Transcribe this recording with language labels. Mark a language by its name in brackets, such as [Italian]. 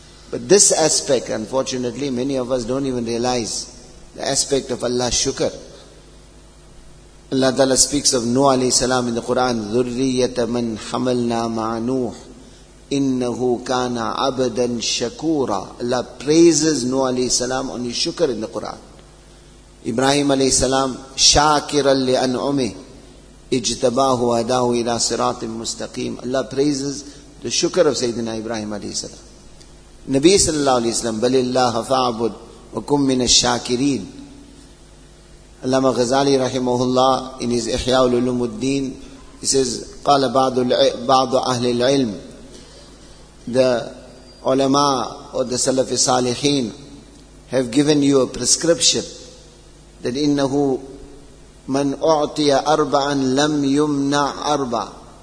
[English] But this aspect, unfortunately, many of us don't even realize the aspect of Allah's shukr. Allah Ta'ala speaks of Nuh alayhi salam in the Quran, [Arabic] ذُرِّيَّةَ مَنْ حَمَلْنَا مَعَ نُوحٍ إِنَّهُ كَانَ عَبَدًا شَكُورًا. [English] Allah praises Nuh alayhi salam on his shukr in the Quran. [Arabic] Ibrahim alayhi salam, شَاكِرًا لِأَنْعُمِهِ اجْتَبَاهُ وَهَدَاهُ إِلَىٰ صِرَاطٍ مُسْتَقِيمٍ. [English] Allah praises the shukr of Sayyidina Ibrahim alayhi salam. Nabi sallallahu alayhi salam, [Arabic] بَلِ اللَّهَ فَاعْبُدْ وَكُمْ مِنَ الشَّاكِرِينَ. [English] Allama Ghazali rahimahullah in his Ihya ul-Ulumuddin, he says, [Arabic] قَالَ بَعْضُ أَهْلِ الْعِلْمِ. [English] The ulama or the salafi salihin have given you a prescription that [Arabic] إِنَّهُ مَنْ أُعْطِيَ أَرْبَعًا لَمْ يُمْنَعْ أَرْبَعًا.